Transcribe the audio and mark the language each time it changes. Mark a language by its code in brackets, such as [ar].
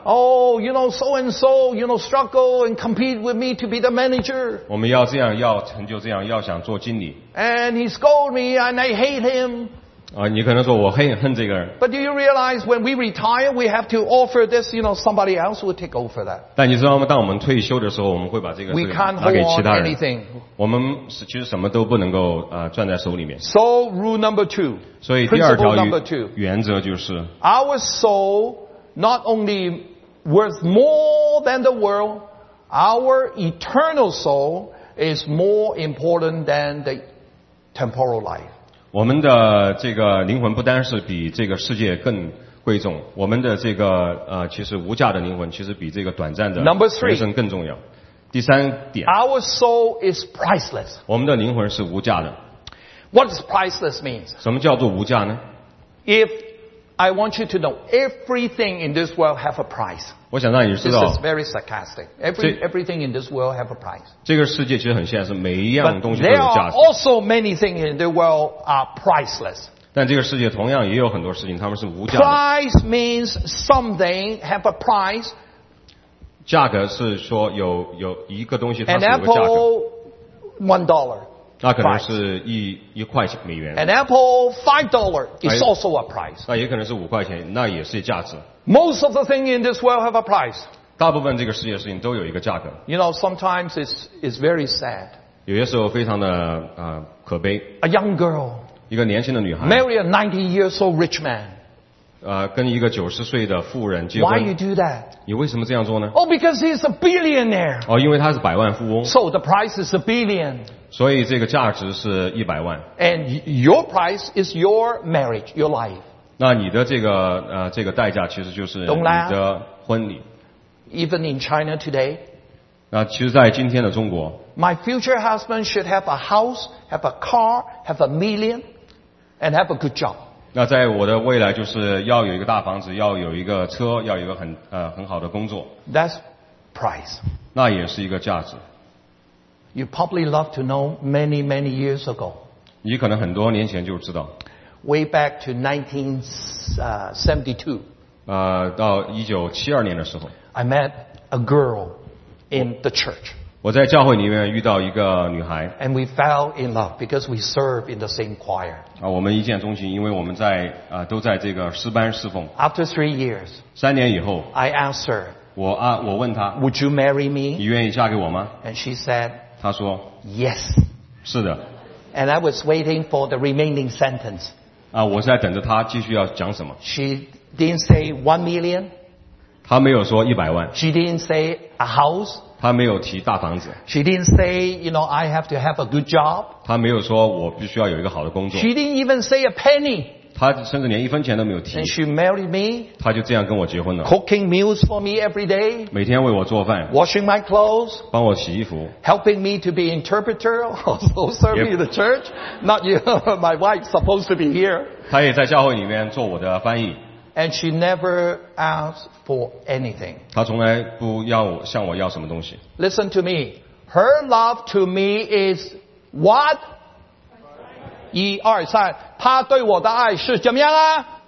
[en] Oh, you know, so and so, you know, struggle and compete with me to be the manager. [zh] 我们要这样，要成就这样，要想做经理。 [en] And he scold me and I hate him. [zh] 啊，你可能说我恨这个人。 [en] But do you realize when we retire, we have to offer this, you know, somebody else will take over that. [zh] 但你知道吗？当我们退休的时候，我们会把这个事情拿给其他人。 [en] We can't hold anything. [zh] 我们其实什么都不能够攥在手里面。 [en] So rule number two. [zh] 所以第二条原则就是 [en] our soul not only worth more than the world, our eternal soul is more important than the temporal life. [zh] 我们的这个灵魂不单是比这个世界更贵重，我们的这个其实无价的灵魂其实比这个短暂的人生更重要。第三点 [en] ，Our soul is priceless. [zh] 我们的灵魂是无价的。 [en] What does priceless means? [zh] 什么叫做无价呢 [en] ？If I want you to know, everything in this world have a price. [zh] 我想让你知道 [en] ，This is very sarcastic. Everything in this world have a price. [zh] 这个世界其实很现实，每一样东西都有价值。 [en] But there are also many things in the world are priceless. [zh] 但这个世界同样也有很多事情，他们是无价的。 [en] Price means something have a price. [zh] 价格是说有一个东西它是有价格。 [en] An apple, $1. [zh] 那可能是一块钱美元。 [en] An apple $5 is also a price. [zh] 那也可能是五块钱，那也是价值。 [en] Most of the things in this world have a price. [zh] 大部分这个世界事情都有一个价格。 [en] You know, sometimes it's very sad. [zh] 有些时候非常的可悲。 [en] A young girl. [zh] 一个年轻的女孩。 [en] Marry a 90 years old rich man. [zh] 跟一个90岁的富人结婚。 [en] Why you do that? [zh] 你为什么这样做呢 [en] ？Oh, because he's a billionaire. [zh] 哦，因为他是百万富翁。 [en] So the price is a billion. [zh] 所以这个价值是一百万。 [en] And your price is your marriage, your life. [zh] 那你的这个代价其实就是你的婚礼。 [en] Even in China today. [zh] 那其实在今天的中国。 [en] My future husband should have a house, have a car, have a million, and have a good job. [zh] 那在我的未来就是要有一个大房子，要有一个车，要有一个很好的工作。 [en] That's price. [zh] 那也是一个价值。 [en] You probably love to know many, many years ago. [zh] 你可能很多年前就知道。 [en] Way back to 1972. [zh] 到1972年的时候。 [en] I met a girl in the church. [zh] 我在教会里面遇到一个女孩。 [en] And we fell in love because we serve in the same choir. [zh] 我们一见钟情，因为我们在都在这个诗班侍奉。 [en] After 3 years. [zh] 三年以后。 [en] I asked her. [zh] 我问她。 [en] Would you marry me? [zh] 你愿意嫁给我吗 [en] ？And she said. [zh] 他说 [en] ，Yes， [zh] 是的。 [en] And I was waiting for the remaining sentence. [zh] 我是在等着他继续要讲什么。 [en] She didn't say $1 million. [zh] 他没有说一百万。 [en] She didn't say a house. [zh] 他没有提大房子。 [en] She didn't say, you know, I have to have a good job. [zh] 他没有说我必须要有一个好的工作。 [en] She didn't even say a penny. [zh] 他甚至连一分钱都没有提。 [en] And she married me. [zh] 他就这样跟我结婚了。 [en] Cooking meals for me every day. [zh] 每天为我做饭。 [en] Washing my clothes. [zh] 帮我洗衣服。 [en] Helping me to be interpreter, also serving in the church. Not you, my wife supposed to be here. [zh] 他也在教会里面做我的翻译。 [en] And she never asked for anything. [zh] 他从来不要向我要什么东西。 [en] Listen to me. Her love to me is what? [zh] 一二三，他对我的爱是怎么样啊？